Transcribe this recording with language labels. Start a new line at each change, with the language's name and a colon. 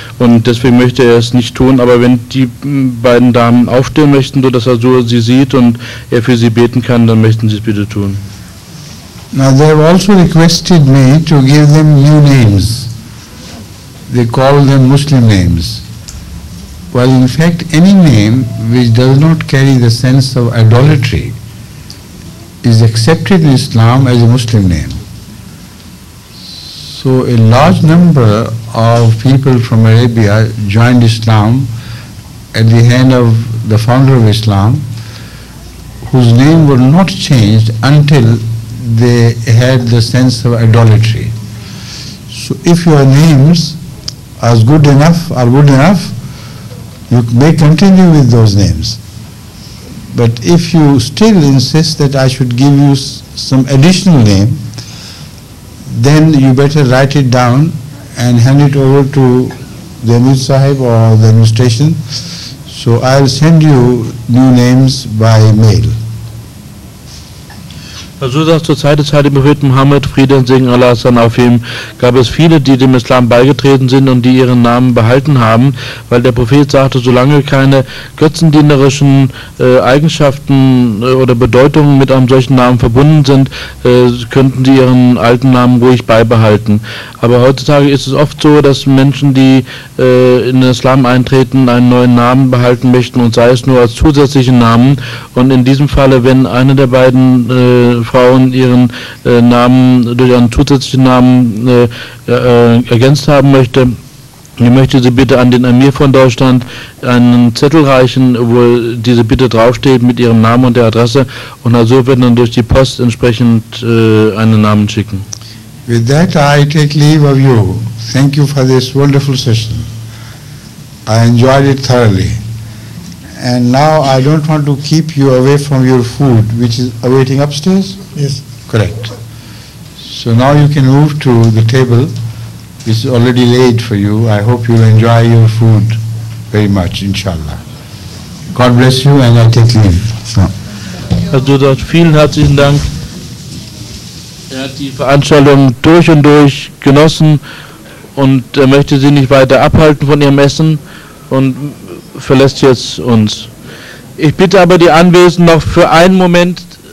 German: Und deswegen möchte er es nicht tun. Aber wenn die beiden Damen aufstehen möchten, sodass er so sie sieht und er für sie beten kann, dann möchten sie es bitte tun.
English: Now they have also requested me to give them new names. They call them Muslim names. While in fact any name which does not carry the sense of idolatry is accepted in Islam as a Muslim name. So a large number of people from Arabia joined Islam at the hand of the founder of Islam, whose name were not changed until they had the sense of idolatry. So if your names as good enough or good enough, you may continue with those names. But if you still insist that I should give you some additional name, then you better write it down and hand it over to the Amir Sahib or the administration. So I'll send you new names by mail.
German: Also sagt zur Zeit des Heiligen Propheten Mohammed, Friede und Segen Allah sei auf ihm, gab es viele, die dem Islam beigetreten sind und die ihren Namen behalten haben, weil der Prophet sagte, solange keine götzendienerischen Eigenschaften oder Bedeutungen mit einem solchen Namen verbunden sind, könnten sie ihren alten Namen ruhig beibehalten. Aber heutzutage ist es oft so, dass Menschen, die in den Islam eintreten, einen neuen Namen behalten möchten und sei es nur als zusätzlichen Namen. Und in diesem Falle, wenn eine der beiden Frauen ihren Namen durch einen zusätzlichen Namen ergänzt haben möchte, ich möchte sie bitte an den Emir von Deutschland einen Zettel reichen, wo diese Bitte draufsteht mit ihrem Namen und der Adresse. Und also wird dann durch die Post entsprechend einen Namen schicken.
English: With that I take leave of you. Thank you for this wonderful session. I enjoyed it thoroughly. And now I don't want to keep you away from your food, which is awaiting upstairs? Yes. Correct. So now you can move to the table, which is already laid for you. I hope you'll enjoy your food very much, inshallah. God bless you, and I take leave.
German: Vielen herzlichen Dank. Er hat die Veranstaltung durch und durch genossen und er möchte sie nicht weiter abhalten von ihrem Essen und verlässt jetzt uns. Ich bitte aber die Anwesenden noch für einen Moment